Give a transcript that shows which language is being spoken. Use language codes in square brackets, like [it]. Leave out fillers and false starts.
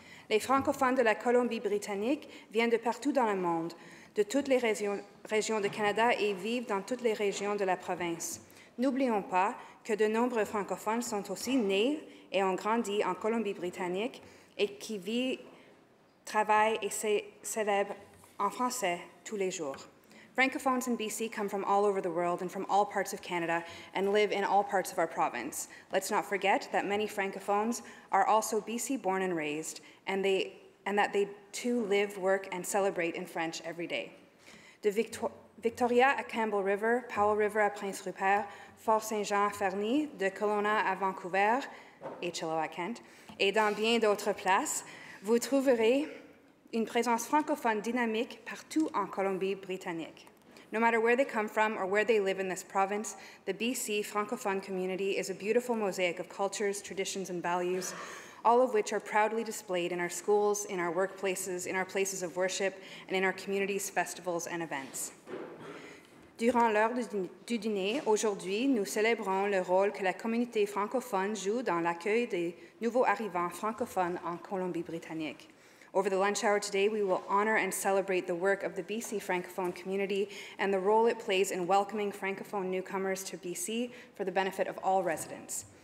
[fr] Les francophones de la Colombie-Britannique viennent de partout dans le monde, de toutes les régions du Canada et vivent dans toutes les régions de la province. N'oublions pas que de nombreux francophones sont aussi nés et ont grandi en Colombie-Britannique et qui vivent, travaillent et se célèbrent en français tous les jours. [en] Francophones in BC come from all over the world and from all parts of Canada and live in all parts of our province. Let's not forget that many francophones are also BC born and raised, and that they too live, work, and celebrate in French every day. [fr] De Victoria à Campbell River, Powell River à Prince Rupert, Fort Saint-Jean à Ferny, de Kelowna à Vancouver, et Chilliwack, Kent, et dans bien d'autres places, vous trouverez une présence francophone dynamique partout en Colombie-Britannique. [en] No matter where they come from or where they live in this province, the BC francophone community is a beautiful mosaic of cultures, traditions, and values, all of which are proudly displayed in our schools, in our workplaces, in our places of worship, and in our communities' festivals and events. [fr] Durant l'heure du dîner, aujourd'hui, nous célébrons le rôle que la communauté francophone joue dans l'accueil des nouveaux arrivants francophones en Colombie-Britannique. [en] Over the lunch hour today, we will honor and celebrate the work of the BC Francophone community and the role it plays in welcoming Francophone newcomers to BC for the benefit of all residents.